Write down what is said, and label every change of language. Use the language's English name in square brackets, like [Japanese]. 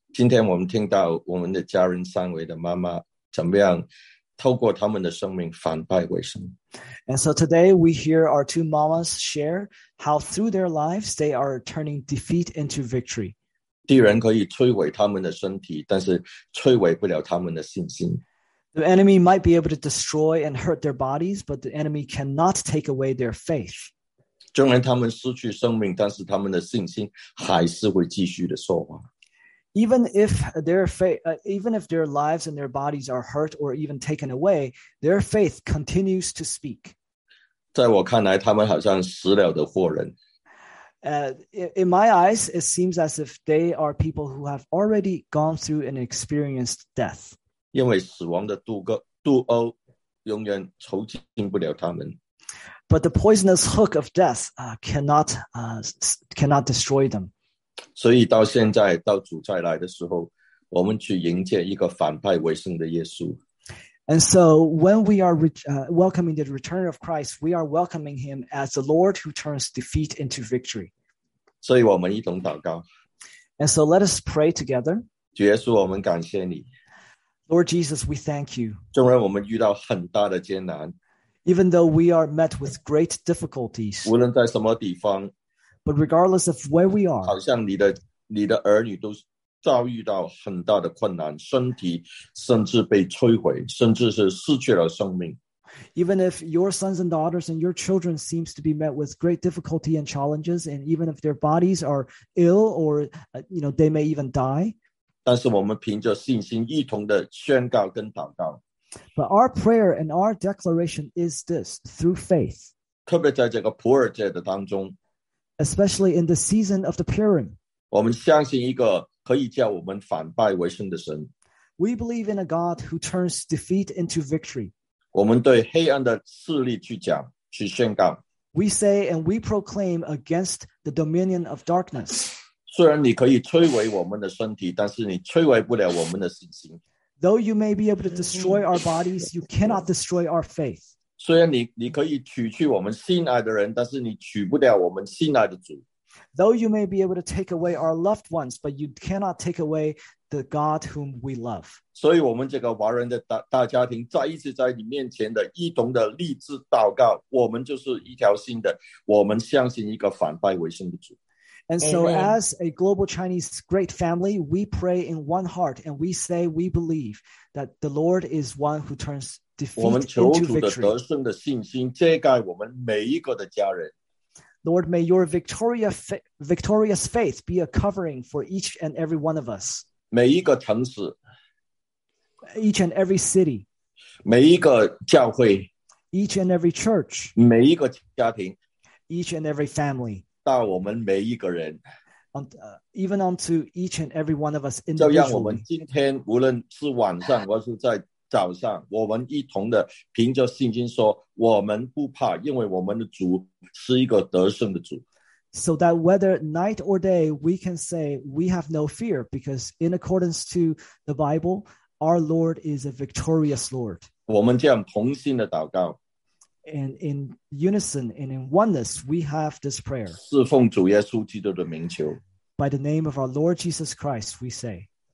[Chinese] 今天我们听到我们的家人三位的妈妈怎么样。透过他们的生命反败为胜。 [English] And so today we hear our two mamas share how through their lives they are turning defeat into victory. [Chinese] 敌人可以摧毁他们的身体，但是摧毁不了他们的信心。 [English] The enemy might be able to destroy and hurt their bodies, but the enemy cannot take away their faith. [Chinese] 虽然他们失去生命，但是他们的信心还是会继续的说话。 [English] Even if their faith, even if their lives and their bodies are hurt or even taken away, their faith continues to speak. [Chinese] 在我看来，他们好像死了的活人。 [English] In my eyes, it seems as if they are people who have already gone through and experienced death. [Chinese] 因为死亡的毒钩永远抽进不了他们。 [English] But the poisonous hook of death cannot destroy them. [Chinese] 所以到现在，到主再来的时候，我们去迎接一个反派为圣的耶稣。 [English] And so when we are welcoming the return of Christ, we are welcoming him as the Lord who turns defeat into victory. [Chinese] 所以我们一同祷告。 [English] And so let us pray together. [Chinese] 主耶稣，我们感谢你。 [English] Lord Jesus, we thank you. [Chinese] 纵然我们遇到很大的艰难。 [English] Even though we are met with great difficulties. [Chinese] 无论在什么地方。 [English] But regardless of where we are. [Chinese] 好像你的儿女都遭遇到很大的困难，身体甚至被摧毁，甚至是失去了生命。 [English] Even if your sons and daughters and your children seems to be met with great difficulty and challenges, and even if their bodies are ill or, you know, they may even die. [Chinese] 但是我们凭着信心一同的宣告跟祷告。 [English] But our prayer and our declaration is this, through faith. [Chinese] 特别在这个普尔节的当中。 [English] Especially in the season of the Purim. [Chinese] 我们相信一个可以叫我们反败为胜的神。 [English] We believe in a God who turns defeat into victory. [Chinese] 我们对黑暗的势力去讲，去宣告。 [English] We say and we proclaim against the dominion of darkness. [Chinese] 虽然你可以摧毁我们的身体，但是你摧毁不了我们的信心。 [English] Though you may be able to destroy our bodies, you cannot destroy our faith. [Chinese] 虽然你可以取去我们心爱的人，但是你取不了我们心爱的主。 [English] Though you may be able to take away our loved ones, but you cannot take away the God whom we love. [Chinese] 所以我们这个华人的 大家庭再一次在你面前的一同的立志祷告，我们就是一条心的，我们相信一个反败为胜的主。 [English] And so Amen. As a global Chinese great family, we pray in one heart and we say we believe that the Lord is one who turns defeat into victory. [Chinese] 我们求主的得胜的信心遮盖我们每一个的家人。 [English] Lord, may your victorious faith be a covering for each and every one of us. [Chinese] 每一个城市, [English] each and every city. [Chinese] 每一个教会, [English] each and every church. [Chinese] 每一个家庭, [English] each and every family. [Chinese] 到我们每一个人, [English] even unto each and every one of us individually. [Chinese] 就让我们今天无论是晚上或是在早上，我们一同的凭着信心说，我们不怕，因为我们的主是一个得胜的主。 [English] So that whether night or day, we can say we have no fear, because in accordance to the Bible, our Lord is a victorious Lord. [Chinese] 我们这样同心的祷告。 [English] And in unison and in oneness, we have this prayer. [Chinese] 侍奉主耶稣基督的名求。 [English] By the name of our Lord Jesus Christ, we say.